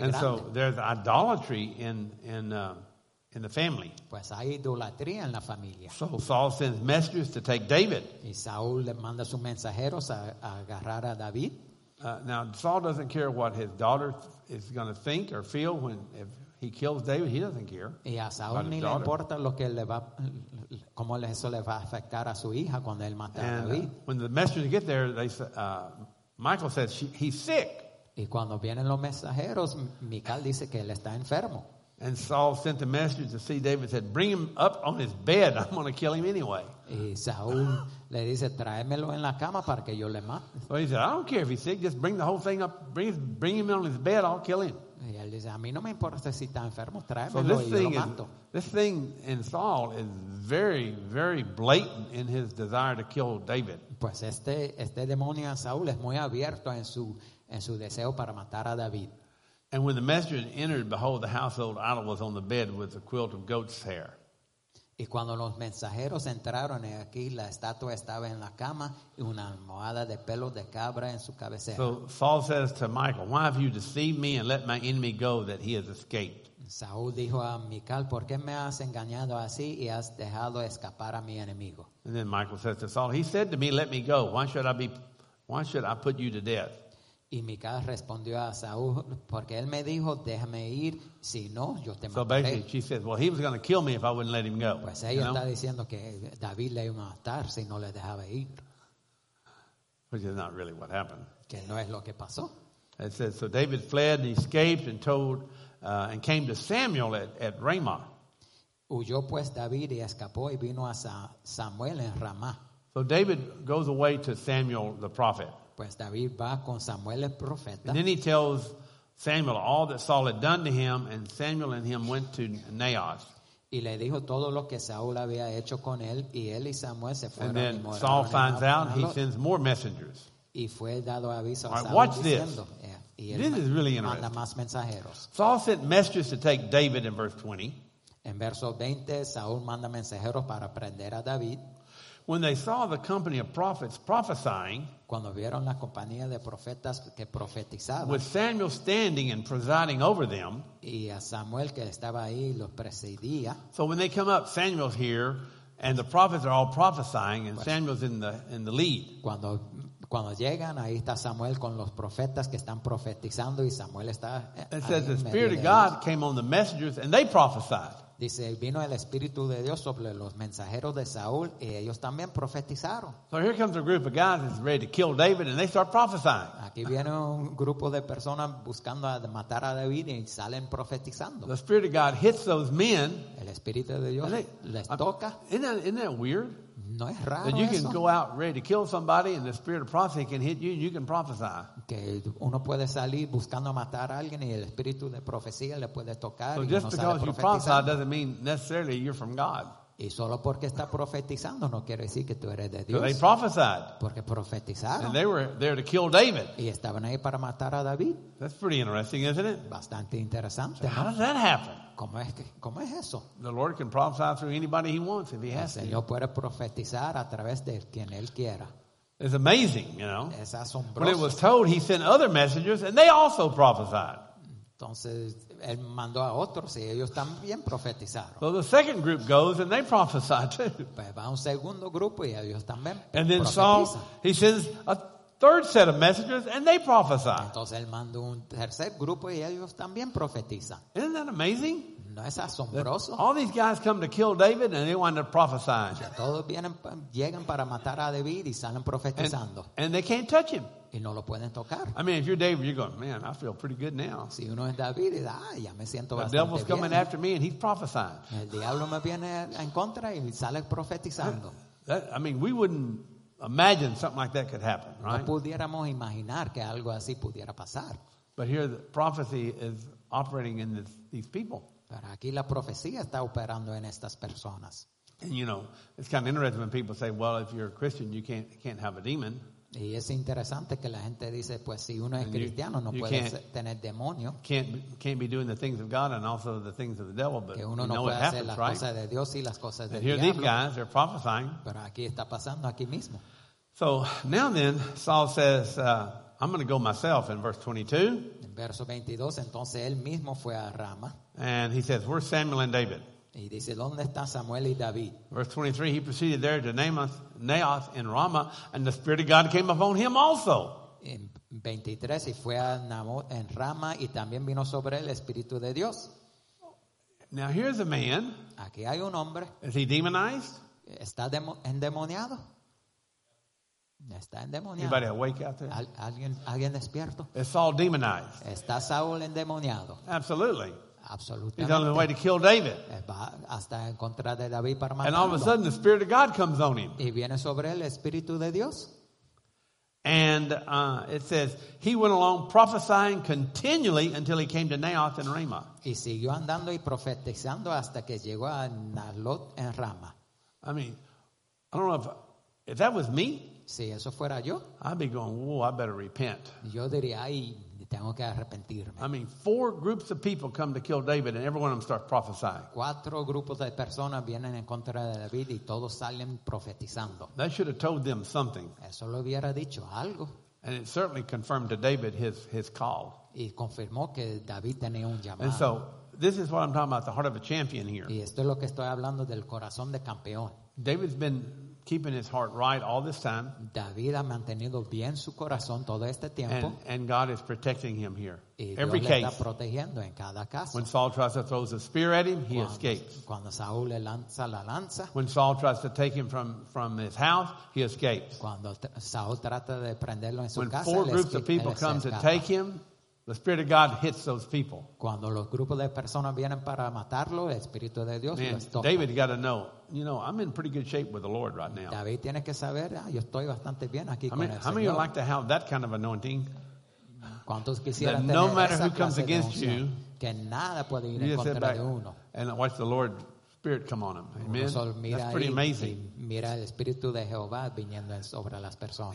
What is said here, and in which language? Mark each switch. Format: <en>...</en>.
<en>and</en> <es>grande.</es> <en>And so there's idolatry in the family.</en> <es>Pues hay idolatría en la familia.</es> <en>So Saul sends messengers to take David.</en> <es>Y Saúl le manda sus mensajeros a agarrar a David.</es> <en>Now Saul doesn't care what his daughter is going to think or feel when if he kills David. He doesn't care.</en> <es>Y a Saúl ni le importa lo que le va cómo eso le va a afectar a su hija cuando él mata</es> <en>and,</en> <es>a David.</es> <en>When the messengers get there, they Michael says he's sick.</en> <es>Y cuando vienen los mensajeros, Mical dice que él está enfermo.</es> <en>And Saul sent a messenger to see David and said, bring him up on his bed. I'm going to kill him anyway.</en> <es>Y Saúl le dice, tráemelo en la cama para que yo le mate.</es> <en>So he said, I don't care if he's sick. Just bring the whole thing up. Bring him on his bed. I'll kill him.</en> <es>Y él dice, a mí no me importa si está enfermo. Tráemelo</es> <en>so this thing</en> <es>y lo mato.</es> <en>This thing in Saul is very, very blatant in his desire to kill David.</en> <es>Pues este demonio en Saúl es muy abierto en su deseo para matar a David.</es> <en>And when the messenger entered, behold, the household idol was on the bed with a quilt of goat's hair.</en> <es>Y cuando los mensajeros entraron aquí, la estatua estaba en la cama y una almohada de pelo de cabra en su cabecera.</es> <en>So Saul says to Michael, why have you deceived me and let my enemy go that he has escaped?</en> <es>Saúl dijo a Mical, ¿por qué me has engañado así y has dejado escapar a mi enemigo?</es> <en>And then Michael says to Saul, he said to me, let me go. Why should I put you to death?</en> <es>Y Mical respondió a Saúl porque él me dijo déjame ir si no yo te mataré.</es> <en>So basically she says, well, he was going to kill me if I wouldn't let him go.</en> <es>Pues ella está diciendo que David le iba a matar si no le dejaba ir.</es> <en>Which is not really what happened.</en> <es>Que no es lo que pasó.</es> <en>It says, so David fled and escaped and told and came to Samuel at Ramah.</en> <es>Huyó pues David y escapó y vino a Samuel en Ramá.</es> <en>So David goes away to Samuel the prophet.</en> <es>Pues David va con Samuel el profeta.</es> <en>And then he tells Samuel all that Saul had done to him, and Samuel and him went to Naoth.</en> <es>Y le dijo todo lo que Saúl había hecho con él, y él y Samuel se fueron.</es> <en>And then Saul finds out, he sends more messengers.</en> <es>Y fue dado aviso a Saúl diciendo.</es> <en>Watch this. This is really interesting.</en> <es>Manda más mensajeros.</es> <en>Saul sent messengers to take David in verse 20.</en> <es>En verso 20, Saúl manda mensajeros para prender a David.</es> <en>When they saw the company of prophets prophesying,</en> <es>cuando vieron la compañía de profetas que profetizaban,</es> <en>with Samuel standing and presiding over them,</en> <es>y a Samuel que estaba ahí los presidía.</es> <en>So when they come up, Samuel's here, and the prophets are all prophesying, and pues, Samuel's in the lead.</en> <es>Cuando llegan, ahí está Samuel con los profetas que están profetizando, y Samuel está.</es> <en>It says the Spirit of God came on the messengers, and they prophesied.</en> <es>Dice, vino el Espíritu de Dios sobre los mensajeros de Saúl y ellos también profetizaron.</es> <en>So here comes a group of guys that's ready to kill David and they start prophesying.</en> <es>Aquí viene un grupo de personas buscando matar a David y salen profetizando.</es> <en>The Spirit of God hits those men.</en> <es>El Espíritu de Dios les toca.</es> <en>Isn't that weird?</en> <es>No es raro</es> <en>that you can</en> <es>eso.</es> <en>Go out ready to kill somebody and the spirit of prophecy can hit you and you can prophesy.</en> <es>Que uno puede salir buscando matar a alguien y el espíritu de profecía le puede tocar.</es> <en>So</en> <es>y</es> <en>just because you prophesy doesn't mean necessarily you're from God.</en> <es>Y solo porque está profetizando no quiere decir que tú eres de Dios.</es> <en>So they prophesied.</en> <es>Porque profetizaron.</es> <en>And they were there to kill David.</en> <es>Y estaban ahí para matar a David.</es> <en>That's pretty interesting, isn't it?</en> <es>Bastante interesante.</es> <en>So how does that happen?</en> <es>¿Cómo es eso?</es> <en>The Lord can prophesy through anybody he wants if he has to.</en> <es>El Señor puede profetizar a través de quien él quiera.</es> <en>It's amazing, you know.</en> <es>Es asombroso.</es> <en>When it was told, he sent other messengers and they also prophesied.</en> <es>Entonces, él mandó a otros y ellos también profetizaron.</es> <en>So the second group goes and they prophesy too.</en> <es>Pues va un segundo grupo y ellos también</es> <en>and then</en> <es>profetizan.</es> <en>Saul, he sends a third set of messengers and they prophesy.</en> <es>Entonces él mandó un tercer grupo y ellos también profetizan.</es> <en>Isn't that amazing?</en> <es>¿No es asombroso?</es> <en>All these guys come to kill David and they wind up prophesying.</en> <es>Todos vienen, llegan para matar a David y salen profetizando.</es> <en>And they can't touch him.</en> <es>Y no lo pueden tocar.</es> <en>I mean, if you're David, you're going, man, I feel pretty good now.</en> <es>Si uno es David, ya me siento bastante bien.</es> <en>The devil's coming after me and he's prophesying.</en> <es>El diablo me viene en contra y sale profetizando.</es> <en>I mean, we wouldn't imagine something like that could happen, right?</en> <es>No pudiéramos imaginar que algo así pudiera pasar.</es> <en>But here the prophecy is operating in these people.</en> <es>Pero aquí la profecía está operando en estas personas.</es> <en>And you know, it's kind of interesting when people say, well, if you're a Christian, you can't have a demon.</en> <es>Y es interesante que la gente dice, pues si uno es cristiano, no puede tener demonio.</es> <en>Can't be doing the things of God and also the things of the devil, but</en> <es>que uno no puede hacer las cosas de Dios y las cosas del diablo.</es> <en>These guys, they're prophesying.</en> <es>Pero aquí está pasando aquí mismo.</es> <en>So now then, Saul says, I'm going to go myself in verse 22.</en> <es>En verso 22, entonces él mismo fue a Rama.</es> <en>And he says, where's Samuel and David?</en> <es>Y dice, ¿dónde está Samuel y David?</es> <en>Verse 23, he proceeded there to Naoth in Ramah, and the Spirit of God came upon him also.</en> <es>En 23, y fue a Naoth en Ramah, y también vino sobre el Espíritu de Dios.</es> <en>Now here's a man.</en> <es>Aquí hay un hombre.</es> <en>Is he demonized?</en> <es>Está endemoniado. Está endemoniado.</es> <en>Anybody awake out there?</en> <es>¿Alguien despierto?</es> <en>Is Saul demonized?</en> <es>Está Saul endemoniado.</es> <en>Absolutely.</en> <es>Absolutamente.</es> <en>He's on the way to kill David.</en> <es>Hasta en contra de David para matarlo.</es> <en>And all of a sudden the Spirit of God comes on him.</en> <es>Y viene sobre el Espíritu de Dios.</es> <en>And it says he went along prophesying continually until he came to Naoth in Ramah.</en> <es>Y siguió andando y profetizando hasta que llegó a Naoth en Ramah.</es> <en>I mean, I don't know if that was me.</en> <es>Si eso fuera yo,</es> <en>I'd be going, whoa, I better repent.</en> <es>Yo diría, ay, tengo que arrepentirme.</es> <en>I mean, four groups of people come to kill David and every one of them starts prophesying.</en> <es>Cuatro grupos de personas vienen en contra de David y todos salen profetizando.</es> <en>That should have told them something.</en> <es>Eso lo hubiera dicho algo.</es> <en>And it certainly confirmed to David his call.</en> <es>Y confirmó que David tenía un llamado.</es> <en>And so, this is what I'm talking about, the heart of a champion here.</en> <es>Y esto es lo que estoy hablando del corazón de campeón.</es> <en>David's been keeping his heart right all this time.</en> <es>David ha mantenido bien su corazón todo este tiempo.</es> <en>And God is protecting him here.</en> <es>Y</es> <en>every</en> <es>Dios</es> <en>case.</en> <es>Le está protegiendo en cada caso.</es> <en>When Saul tries to throw a spear at him, he escapes.</en> <es>Cuando Saúl le lanza la lanza.</es> <en>When Saul tries to take him from his house, he escapes.</en> <es>Cuando Saúl trata de prenderlo en su</es> <en>when</en> <es>casa,</es> <en>four groups</en> <es>escape,</es> <en>of people</en> <es>él</es> <en>come</en> <es>escapa.</es> <en>To take him, the Spirit of God hits those people.</en> <es>Cuando los grupos de personas vienen para matarlo, el Espíritu de Dios</es> <en>man,</en> <es>los toca.</es> <en>David got to know, you know, I'm in pretty good shape with the Lord right now.</en> <es>David tiene que saber, yo estoy bastante bien aquí con el Señor.</es> <en>How many would like to have that kind of anointing?</en> <es>¿Cuántos quisieran</es> <en>that</en> <es>tener</es> <en>no matter</en> <es>esa</es> <en>who comes against you,</en> <es>que nada puede ir</es> <en>you</en> <es>en contra</es> <en>back,</en> <es>de uno.</es> <en>And watch the Lord Spirit come on him. Amen.</en> <es>Mira</es> <en>that's pretty amazing.</en> <es>Mira el Espíritu de Jehová viniendo sobre las personas.</es>